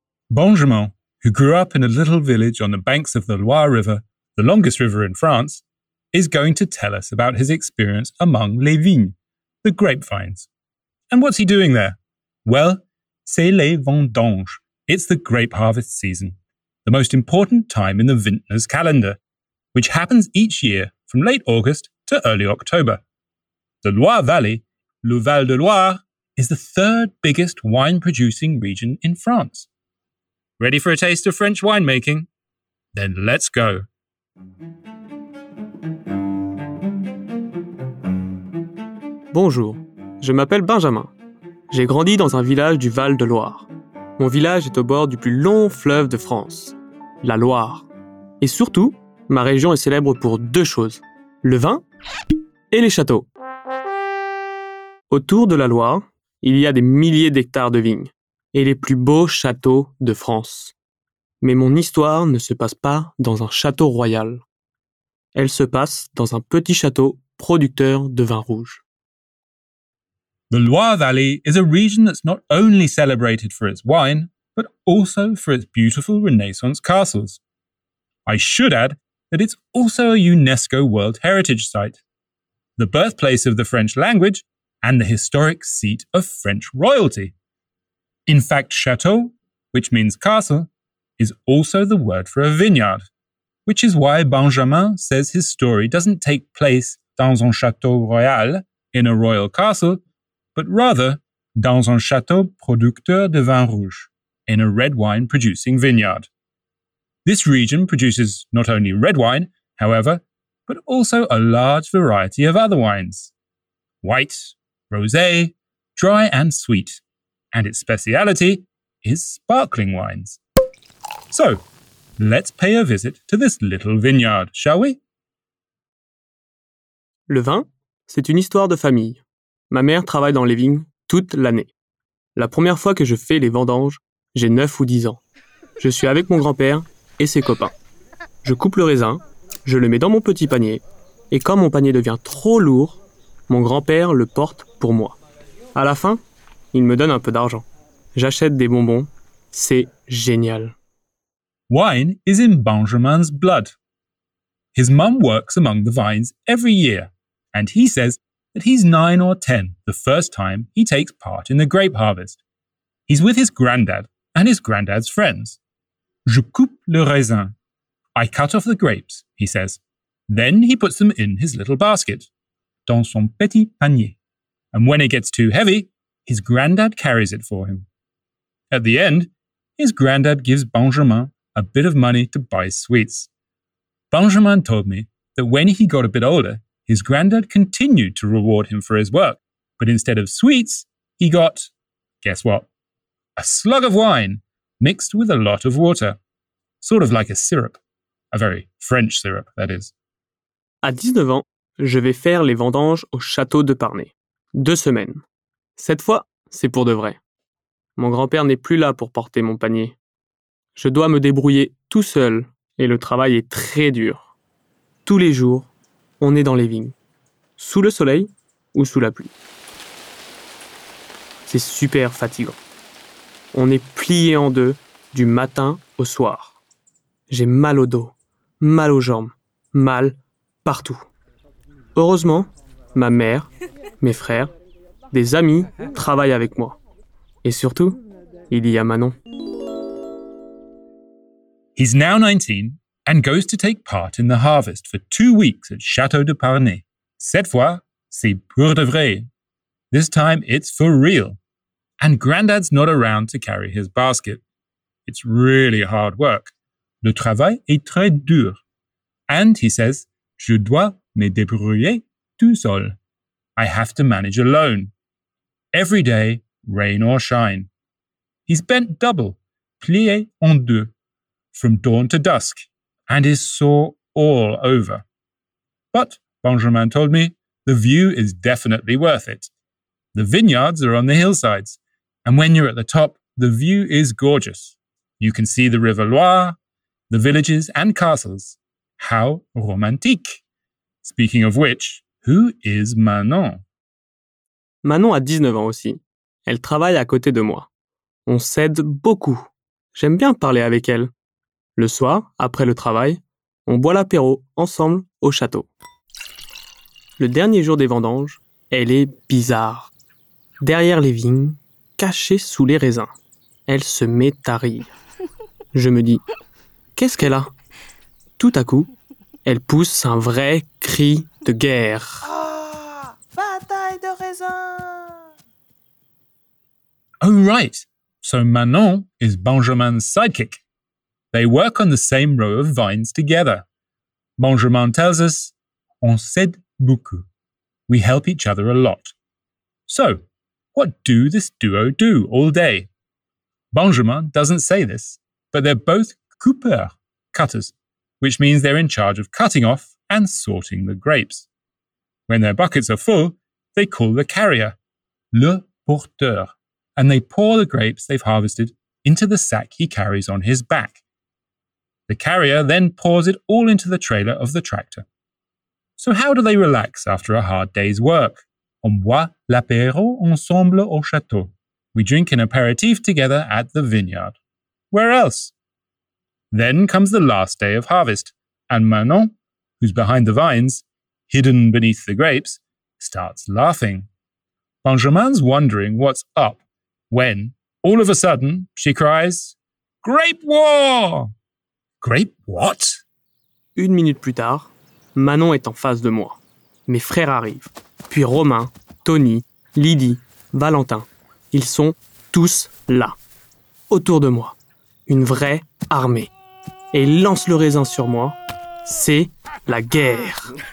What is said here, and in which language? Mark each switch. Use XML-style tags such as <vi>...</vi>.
<en>Benjamin, who grew up in a little village on the banks of the Loire River, the longest river in France, is going to tell us about his experience among</en> <fr>les vignes,</fr> <en>the grapevines. And what's he doing there?</en> <fr>Well, c'est les vendanges.</fr> <en>It's the grape harvest season, the most important time in the vintner's calendar, which happens each year from late August to early October. The Loire Valley, le Val de Loire, is the third biggest wine-producing region in France. Ready for a taste of French winemaking? Then let's go.</en> <fr>Bonjour, je m'appelle Benjamin. J'ai grandi dans un village du Val de Loire. Mon village est au bord du plus long fleuve de France, la Loire. Et surtout, ma région est célèbre pour deux choses, le vin et les châteaux. Autour de la Loire, il y a des milliers d'hectares de vignes et les plus beaux châteaux de France. Mais mon histoire ne se passe pas dans un château royal. Elle se passe dans un petit château producteur de vin rouge.</fr> <en>The Loire Valley is a region that's not only celebrated for its wine, but also for its beautiful Renaissance castles. I should add that it's also a UNESCO World Heritage Site, the birthplace of the French language and the historic seat of French royalty. In fact, château, which means castle, is also the word for a vineyard, which is why Benjamin says his story doesn't take place</en> <fr>dans un château royal,</fr> <en>in a royal castle, but rather</en> <fr>dans un château producteur de vin rouge,</fr> <en>in a red wine producing vineyard. This region produces not only red wine, however, but also a large variety of other wines. White, rosé, dry and sweet. And its speciality is sparkling wines. So, let's pay a visit to this little vineyard, shall we?</en> <fr>Le vin, c'est une histoire de famille. Ma mère travaille dans les vignes toute l'année. La première fois que je fais les vendanges, j'ai 9 ou 10 ans. Je suis avec mon grand-père et ses copains. Je coupe le raisin, je le mets dans mon petit panier, et quand mon panier devient trop lourd, mon grand-père le porte pour moi. À la fin, il me donne un peu d'argent. J'achète des bonbons. C'est génial.</fr> <en>Wine is in Benjamin's blood. His mum works among the vines every year, and he says that he's 9 or 10 the first time he takes part in the grape harvest. He's with his granddad and his granddad's friends.</en> <fr>Je coupe le raisin.</fr> <en>I cut off the grapes, he says. Then he puts them in his little basket,</en> <fr>dans son petit panier.</fr> <en>And when it gets too heavy, his granddad carries it for him. At the end, his granddad gives Benjamin a bit of money to buy sweets. Benjamin told me that when he got a bit older, his granddad continued to reward him for his work, but instead of sweets, he got, guess what? A slug of wine mixed with a lot of water. Sort of like a syrup. A very French syrup, that is.</en> <fr>À 19 ans, je vais faire les vendanges au château de Parnay. 2 semaines. Cette fois, c'est pour de vrai. Mon grand-père n'est plus là pour porter mon panier. Je dois me débrouiller tout seul et le travail est très dur. Tous les jours, on est dans les vignes, sous le soleil ou sous la pluie. C'est super fatigant. On est plié en deux du matin au soir. J'ai mal au dos, mal aux jambes, mal partout. Heureusement, ma mère, mes frères, des amis travaillent avec moi. Et surtout, il y a Manon.</fr> <en>He's now 19 and goes to take part in the harvest for 2 weeks at Château de Parnay.</en> <fr>Cette fois, c'est pour de vrai.</fr> <en>This time, it's for real. And Grandad's not around to carry his basket. It's really hard work.</en> <fr>Le travail est très dur.</fr> <en>And he says,</en> <fr>je dois me débrouiller tout seul.</fr> <en>I have to manage alone. Every day, rain or shine. He's bent double,</en> <fr>plié en deux,</fr> <en>from dawn to dusk, and is sore all over. But, Benjamin told me, the view is definitely worth it. The vineyards are on the hillsides, and when you're at the top, the view is gorgeous. You can see the River Loire, the villages and castles. How romantique! Speaking of which, who is Manon?</en> <fr>Manon a 19 ans aussi. Elle travaille à côté de moi. On s'aide beaucoup. J'aime bien parler avec elle. Le soir, après le travail, on boit l'apéro ensemble au château. Le dernier jour des vendanges, elle est bizarre. Derrière les vignes, cachée sous les raisins, elle se met à rire. Je me dis, qu'est-ce qu'elle a ? Tout à coup, elle pousse un vrai cri de guerre. Oh, bataille de raisins !</fr> <en>Oh right, so Manon is Benjamin's sidekick. They work on the same row of vines together. Benjamin tells us,</en> <fr>on s'aide beaucoup.</fr> <en>We help each other a lot. So, what do this duo do all day? Benjamin doesn't say this, but they're both coupeurs, cutters, which means they're in charge of cutting off and sorting the grapes. When their buckets are full, they call the carrier, le porteur, and they pour the grapes they've harvested into the sack he carries on his back. The carrier then pours it all into the trailer of the tractor. So how do they relax after a hard day's work?</en> <fr>On boit l'apéro ensemble au château.</fr> <en>We drink an apéritif together at the vineyard. Where else? Then comes the last day of harvest, and Manon, who's behind the vines, hidden beneath the grapes, starts laughing. Benjamin's wondering what's up, when, all of a sudden, she cries, Grape war! Grape what?</en> <fr>Une minute plus tard, Manon est en face de moi. Mes frères arrivent. Puis Romain, Tony, Lydie, Valentin. Ils sont tous là. Autour de moi. Une vraie armée. Et ils lancent le raisin sur moi. C'est la guerre.</fr>